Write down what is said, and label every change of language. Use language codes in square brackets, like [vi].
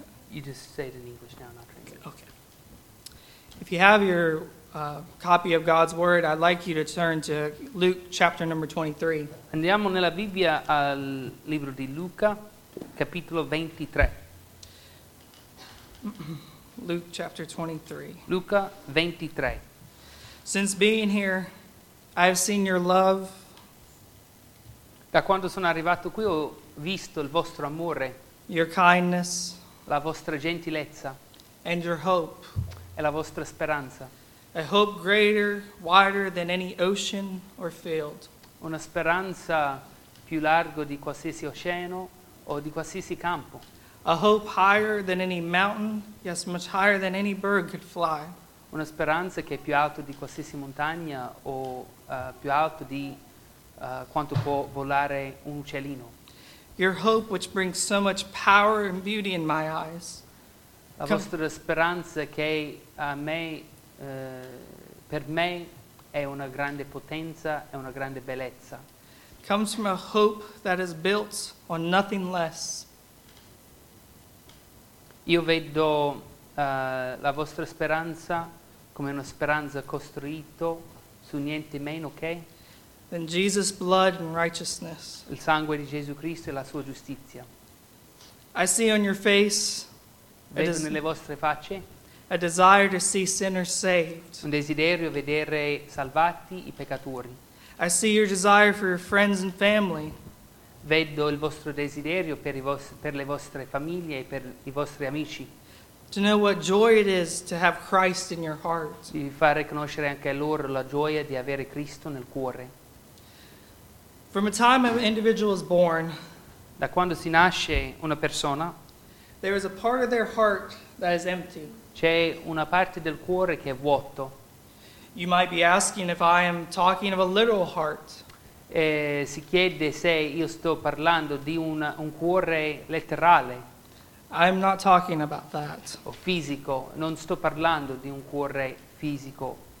[en] You just say it in English now, not translate. Okay. If you have your copy of God's Word, I'd like you to turn to Luke chapter number 23. [it] Andiamo nella Bibbia al libro di Luca, capitolo 23. [en] Luke chapter 23. [it] Luca 23. [en] Since being here, I've seen your love. [it] Da quando sono arrivato qui ho visto il vostro amore. [en] Your kindness. [it] La vostra gentilezza. [en] And your hope. [it] E la vostra speranza. [en] A hope greater, wider than any ocean or field. [it] Una speranza più largo di qualsiasi oceano o di qualsiasi campo. [en] A hope higher than any mountain, yes, much higher than any bird could fly. [it] Una speranza che è più alto di qualsiasi montagna o più alto di quanto può volare un uccellino. [en] Your hope which brings so much power and beauty in my eyes. [it] La vostra speranza che a me per me è una grande potenza, è una grande bellezza. [en] Comes from a hope that is built on nothing less. [it] Io vedo la vostra speranza come una speranza costruito su niente meno che [en] than Jesus' blood and righteousness. [it] Il sangue di Gesù Cristo e la sua giustizia. [en] I see on your face. [it] Vedo nelle vostre facce. [en] A desire to see sinners saved. [it] Un desiderio vedere salvati i peccatori. [en] I see your desire for your friends and family. [it] Vedo il vostro desiderio per, per le vostre famiglie e per i vostri amici. [en] To know what joy it is to have Christ in your heart. [it] Di far riconoscere anche a loro la gioia di avere Cristo nel cuore. [en] From a time an individual is born. [it] Da quando si nasce una persona. [en] There is a part of their heart that is empty. [it] C'è una parte del cuore che è vuoto. [en] You might be asking if I am talking of a literal heart. [it] Si chiede se io sto parlando di un cuore letterale. [en] I'm not talking about that. [it] O fisico, non sto parlando di un cuore fisico.